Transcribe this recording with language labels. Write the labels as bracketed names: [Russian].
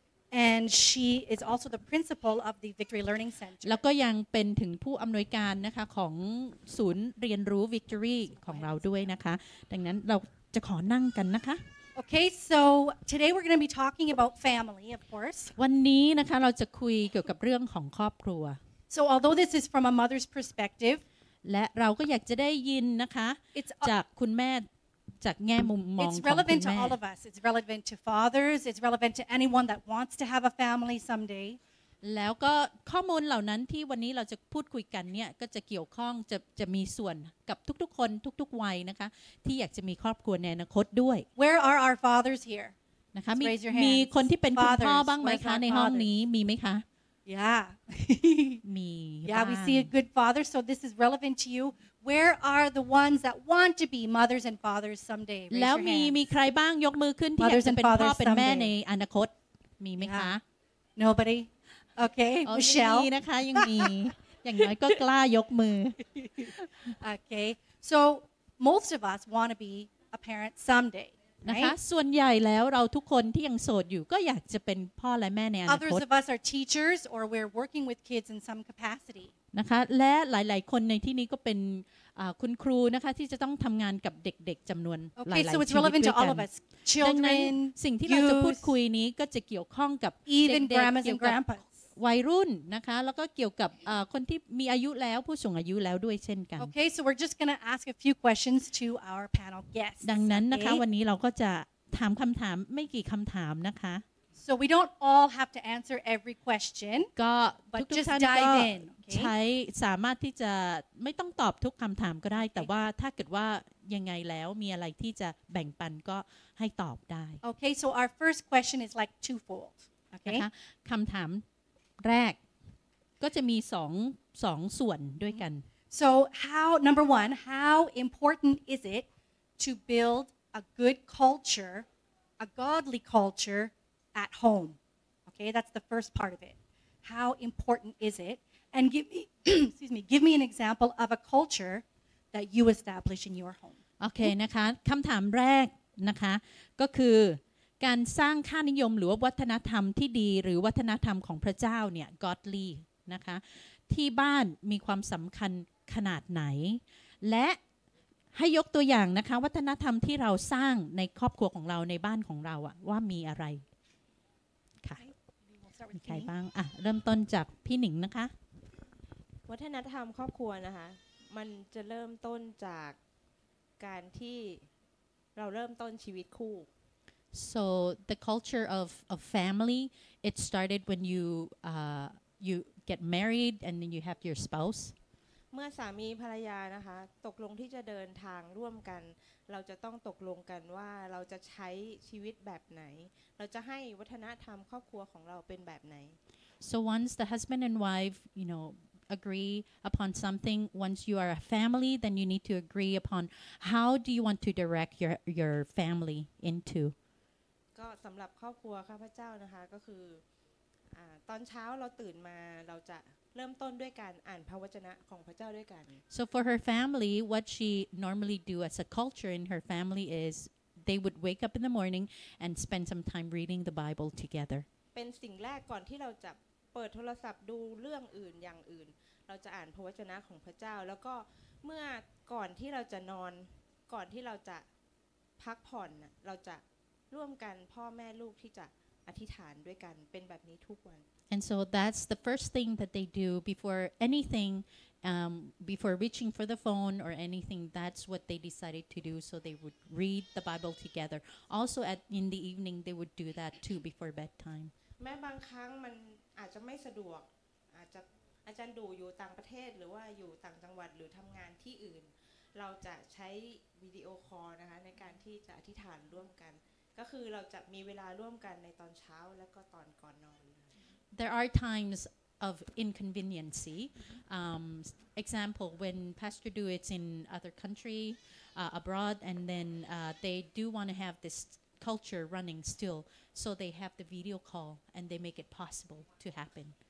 [English] and she is also the principal of the Victory Learning Center [Thai] แล้วก็ยังเป็นถึงผู้อำนวยการนะคะของศูนย์เรียนรู้ Victory ของเราด้วยนะคะดังนั้นเราจะขอนั่งกันนะคะ [English] okay so today we're going to be talking about family of course [Thai] วันนี้นะคะเราจะคุยเกี่ยวกับเรื่องของครอบครัว [English] so although this is from a mother's perspective [Thai] และเราก็อยากจะได้ยินนะคะจากคุณแม่จากแง่มุมมองของแม่ [English] It's relevant to all of us. It's relevant to fathers. It's relevant to anyone that wants to have a family someday. [Thai] แล้วก็ข้อมูลเหล่านั้นที่วันนี้เราจะพูดคุยกันเนี่ยก็จะเกี่ยวข้องจะมีส่วนกับทุกๆคนทุกๆวัยนะคะที่อยากจะมีครอบครัวในอนาคตด้วย [English] Where are our fathers here? [Thai] นะคะมีคนที่เป็นคุณพ่อบ้างไหมคะในห้องนี้มีไหมคะ [English] Yeah. [Thai] มี [English] Yeah, we see a good father. So this is relevant to you. Where are the ones that want to be mothers and fathers someday? [Thai] แล้วมีใครบ้างยกมือขึ้นที่อยากจะเป็นพ่อเป็นแม่ในอนาคตมีไหมคะ [English] Nobody. Okay. Michelle. [Thai] มีนะคะยังมีอย่างน้อยก็กล้ายกมือ [English] Okay. So most of us want to be a parent someday. [Thai] นะคะส่วนใหญ่แล้วเราทุกคนที่ยังโสดอยู่ก็อยากจะเป็นพ่อและแม่ในอนาคต [English] Others of us are teachers or we're working with kids in some capacity. [Thai] นะคะและหลายๆคนในที่นี้ก็เป็นคุณครูนะคะที่จะต้องทำงานกับเด็กๆจำนวนหลายๆชีวิตด้วยกันดัง นั้ นสิ่งที่เราจะพูดคุยนี้ก็จะเกี่ยวข้องกับเด็กๆเกี่ยวกับวัยรุ่นนะคะแล้วก็เกี่ยวกับคนที่มีอายุแล้วผู้สูงอายุแล้วด้วยเช่นกัน [English] โอเค so we're just gonna ask a few questions to our panel guests [Thai] ดังนั้นนะคะวันนี้เราก็จะถามคำถามไม่กี่คำถามนะคะ [English] So we don't all have to answer every question, but just dive in. [Thai] ใช้สามารถที่จะไม่ต้องตอบทุกคำถามก็ได้แต่ว่าถ้าเกิดว่ายังไงแล้วมีอะไรที่จะแบ่งปันก็ให้ตอบได้ [English] Okay, so our first question is like twofold. Okay, [Thai] คำถามแรกก็จะมีสองส่วนด้วยกัน [English] So how number one, how important is it to build a good culture, a godly culture? At home, okay. That's the first part of it. How important is it? And give me, excuse me. Give me an example of a culture that you establish in your home. [Thai] Okay, นะคะ คำถามแรกนะคะก็คือการสร้างค่านิยมหรือวัฒนธรรมที่ดีหรือวัฒนธรรมของพระเจ้าเนี่ย godly นะคะที่บ้านมีความสำคัญขนาดไหนและให้ยกตัวอย่างนะคะวัฒนธรรมที่เราสร้างในครอบครัวของเราในบ้านของเราอะว่ามีอะไรมีใครบ้างอ่ะเริ่มต้นจากพี่หนิงนะคะ วัฒนธรรมครอบครัวนะคะมันจะเริ่มต้นจากการที่เราเริ่มต้นชีวิตคู่ [English] so the culture of a family it started when you get married and then you have your spouse [Thai] เมื่อสามีภรรยานะคะตกลงที่จะเดินทางร่วมกันเราจะต้องตกลงกันว่าเราจะใช้ชีวิตแบบไหนเราจะให้วัฒนธรรมครอบครัวของเราเป็นแบบไหน [English] So once the husband and wife you know agree upon something once you are a family then you need to agree upon how do you want to direct your family into [Thai] ก็สำหรับครอบครัวข้าพเจ้านะคะก็คือตอนเช้าเราตื่นมาเราจะเริ่มต้นด้วยการอ่านพระวจนะของพระเจ้าด้วยกัน [English] So for her family what she normally do as a culture in her family is they would wake up in the morning and spend some time reading the Bible together [Thai] เป็นสิ่งแรกก่อนที่เราจะเปิดโทรศัพท์ดูเรื่องอื่นอย่างอื่นเราจะอ่านพระวจนะของพระเจ้าแล้วก็เมื่อก่อนที่เราจะนอนก่อนที่เราจะพักผ่อนเราจะร่วมกันพ่อแม่ลูกที่จะอธิษฐานด้วยกันเป็นแบบนี้ทุกวัน [English] And so that's the first thing that they do before anything, before reaching for the phone or anything. That's what they decided to do. So they would read the Bible together. Also, in the evening, they would do that too before bedtime. [Thai] แม้บางครั้งมันอาจจะไม่สะดวกอาจจะดูอยู่ต่างประเทศหรือว่าอยู่ต่างจังหวัดหรือทำงานที่อื่นเราจะใช้วิดีโอคอลนะคะในการที่จะอธิษฐานร่วมกันก็คือเราจะมีเวลาร่วมกันในตอนเช้าและก็ตอนก่อนนอน [English] There are times of inconveniency. Example, when Pastor Du is in other country, abroad, and then they do want to have this culture running still, so they have the video call and they make it possible to happen.